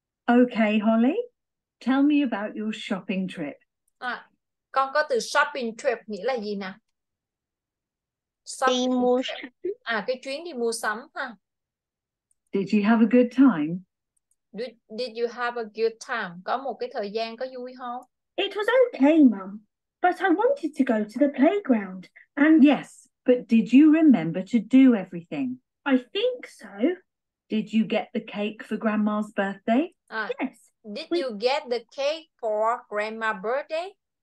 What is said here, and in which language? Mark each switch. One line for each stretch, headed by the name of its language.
English: Okay, Holly, tell me about your shopping trip.
Vietnamese: À, con có từ shopping trip nghĩa là gì nè?
English: Shopping trip.
Vietnamese: À, cái chuyến đi mua sắm ha.
English: Did you have a good time? Did you have a good time?
Vietnamese: Có một cái thời gian có vui không?
English: It was okay, Mum. But I wanted to go to the playground. And yes, but did you remember to do everything? I think so. Did you get the cake for Grandma's birthday? Yes. Did you get the cake for Grandma's birthday?